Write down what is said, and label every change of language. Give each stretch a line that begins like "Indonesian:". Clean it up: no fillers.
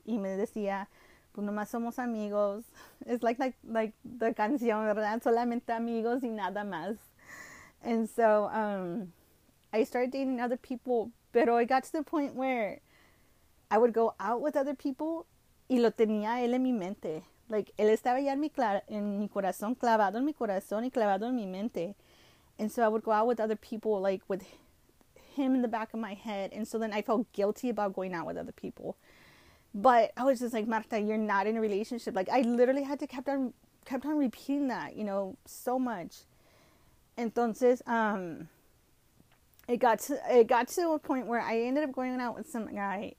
Spanish: Y me decía, pues nomás somos amigos.
English: It's like the
Spanish: canción, ¿verdad? Solamente amigos y nada más.
English: And so, I started dating other people. Pero I got to the point where I would go out with other people.
Spanish: Y lo tenía él en mi mente. Like, él estaba ya en mi corazón, clavado en mi corazón y clavado en mi mente.
English: And so I would go out with other people, like, with him in the back of my head. And so then I felt guilty about going out with other people. But I was just like, Marta, you're not in a relationship. Like, I literally had to kept on repeating that, you know, so much. Entonces, it got to a point where I ended up going out with some guy.